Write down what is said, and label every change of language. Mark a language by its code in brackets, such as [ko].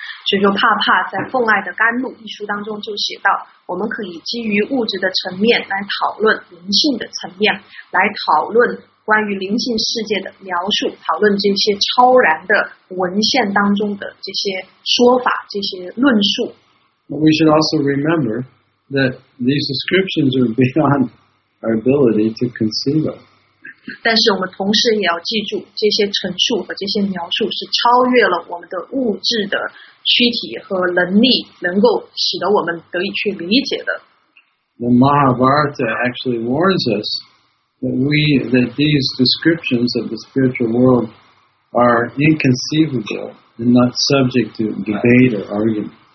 [zh] 所以说帕帕在《奉爱的甘露》一书当中就写到，我们可以基于物质的层面来讨论灵性的层面，来讨论关于灵性世界的描述，讨论这些超然的文献当中的这些说法，这些论述。 [en] We should also remember that these descriptions are beyond our ability to conceive of. [zh] 但是我们同时也要记住，这些陈述和这些描述是超越了我们的物质的躯体和能力，能够使得我们得以去理解的。 [en] The Mahabharata actually warns us that these descriptions of the spiritual world are inconceivable and not subject to debate or argument.